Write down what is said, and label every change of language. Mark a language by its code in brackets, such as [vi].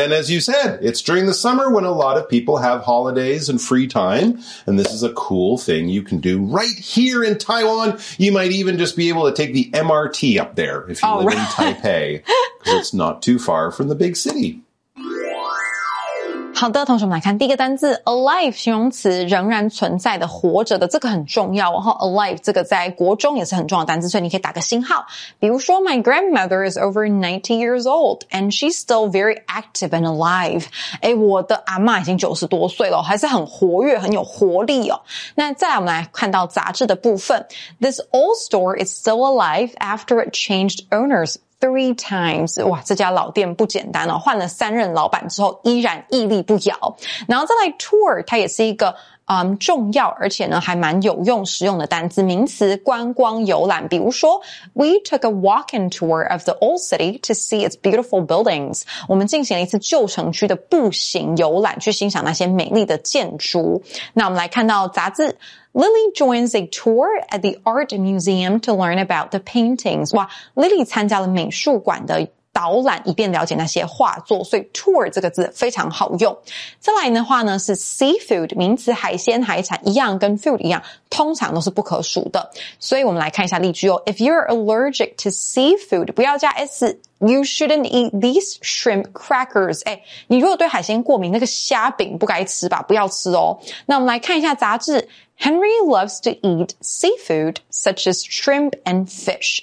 [en] And as you said, it's during the summer when a lot of people have holidays and free time. And this is a cool thing you can do right here in Taiwan. You might even just be able to take the MRT up there if you live in Taipei because it's not too far from the big city. [zh] 好的，同学们来看第一个单字 alive 形容词，仍然存在的，活着的，这个很重要。然后 alive 这个在国中也是很重要的单字，所以你可以打个星号。比如说 [en] ，My grandmother is over 90 years old and she's still very active and alive。 [zh] 哎，我的阿嬷已经90多岁了，还是很活跃，很有活力哦。那再来我们来看到杂志的部分 [en] ，This old store is still alive after it changed owners. Three times. [zh] 哇，这家老店不简单哦，换了三任老板之后依然屹立不摇。然后再来 tour, 它也是一个重要而且呢还蛮有用实用的单字，名词观光游览。比如说 [en] ,we took a walk-in tour of the old city to see its beautiful buildings. [zh] 我们进行了一次旧城区的步行游览，去欣赏那些美丽的建筑。那我们来看到杂志。 [en] Lily joins a tour at the art museum to learn about the paintings. [zh] 哇 ,Lily 参加了美术馆的导览以便了解那些画作，所以 tour 这个字非常好用。再来的话呢是 seafood, 名词海鲜海产，一样跟 food 一样通常都是不可数的。所以我们来看一下例句哦 [en] ,if you're allergic to seafood, [zh] 不要加 s, [en] You shouldn't eat these shrimp crackers. [zh] 诶，你如果对海鲜过敏，那个虾饼不该吃吧，不要吃哦。那我们来看一下杂志。 [en] Henry loves to eat seafood, such as shrimp and fish.